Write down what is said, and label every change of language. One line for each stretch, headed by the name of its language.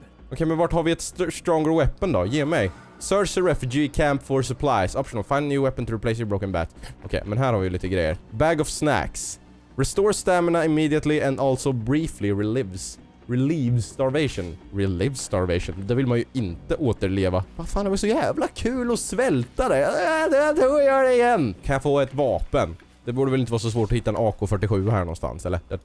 Swedish: Okej, men vart har vi ett
English: stronger weapon
Swedish: då? Ge mig.
English: Search the refugee camp for supplies. Optional. Find a new weapon to replace your broken bat.
Swedish: Okej, men här har vi lite grejer.
English: Bag of snacks. Restore stamina immediately and also briefly relieves starvation. Relieves starvation.
Swedish: Det vill man ju inte återleva. Vad fan, det var så jävla kul att svälta det. Jag gör det igen. Kan jag få ett vapen? Det borde väl inte vara så svårt att hitta en AK-47 här någonstans, eller?